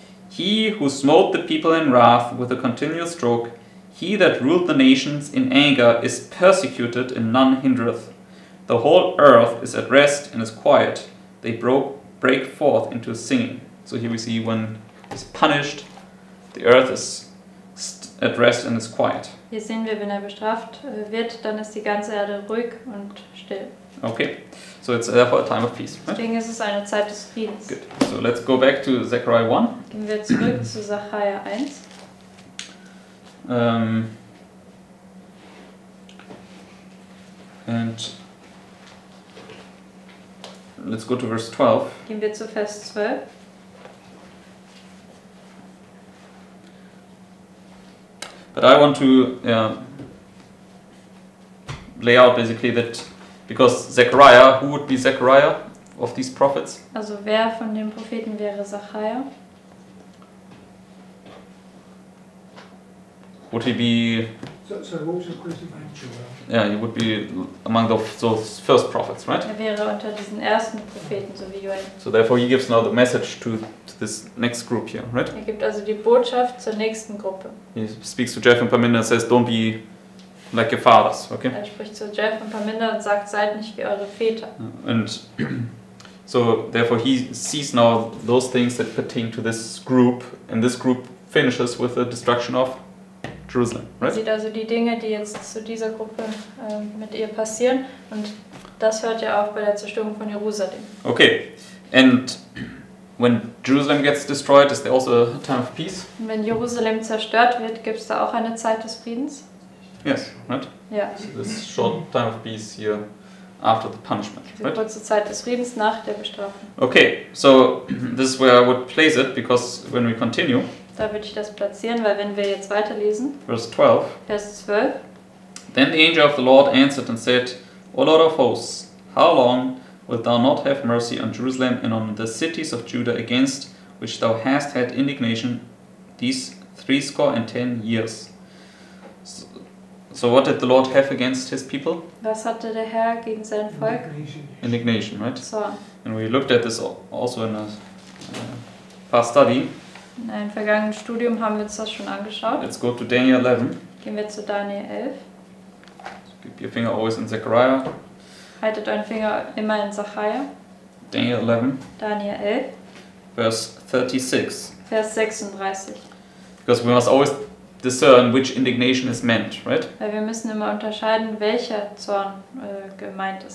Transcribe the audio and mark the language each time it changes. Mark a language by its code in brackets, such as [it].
[en] He who smote the people in wrath with a continual stroke, he that ruled the nations in anger is persecuted and none hindereth. The whole earth is at rest and is quiet. They break forth into singing. So here we see when he's punished, the earth is at rest and is quiet. [de] Hier sehen wir, wenn er bestraft wird, dann ist die ganze Erde ruhig und still. [en] Okay, so it's therefore a time of peace. Right? [de] Deswegen ist es eine Zeit des Friedens. [en] Good. So let's go back to Zechariah 1. [de] Gehen wir zurück zu Zechariah 1. [en] And let's go to verse 12. [de] Gehen wir zu Vers 12. [en] But I want to lay out basically that because Zechariah, who would be Zechariah of these prophets? [de] Also wer von den Propheten wäre Zechariah? [en] Would he be... So he would be among those first prophets, right? [de] Er wäre unter diesen ersten Propheten, so wie Joel. [en] So therefore he gives now the message to this next group here, right? [de] Er gibt also die Botschaft zur nächsten Gruppe. [en] He speaks to Jeff and Paminda and says, don't be like your fathers, okay? [de] Er spricht zu Jeff und Paminda und sagt, seid nicht wie eure Väter. [en] And so therefore he sees now those things that pertain to this group, and this group finishes with the destruction of Jerusalem, right? [de] Sieht also die Dinge, die jetzt zu dieser Gruppe mit ihr passieren, und das hört ja auch bei der Zerstörung von Jerusalem. [en] Okay, and when Jerusalem gets destroyed, is there also a time of peace? [de] Und wenn Jerusalem zerstört wird, gibt es da auch eine Zeit des Friedens? [en] Yes, right? Yeah. So this short time of peace here after the punishment, [de] die [en] right? [de] Kurze Zeit des Friedens nach der Bestrafung. [en] Okay, so this is where I would place it, because when we continue. [de] Da würde ich das platzieren, weil wenn wir jetzt weiterlesen. [en] Verse 12. [de] Vers 12. [en] Then the angel of the Lord answered and said, O Lord of hosts, how long wilt thou not have mercy on Jerusalem and on the cities of Judah against which thou hast had indignation these 70 years? So what did the Lord have against his people? [de] Was hatte der Herr gegen sein Volk? [en] Indignation, right? So. And we looked at this also in a past study. [de] In einem vergangenen Studium haben wir uns das schon angeschaut. [en] Let's go to Daniel 11. [de] Gehen wir zu Daniel 11. [en] So keep your finger always in Zechariah. [de] Haltet euren Finger immer in Zechariah. [en] Daniel 11. [de] Daniel 11. [en] Verse 36. [de] Vers 36. [en] Because we must always discern which indignation is meant, right? [de] Weil wir müssen immer unterscheiden, welcher Zorn gemeint ist.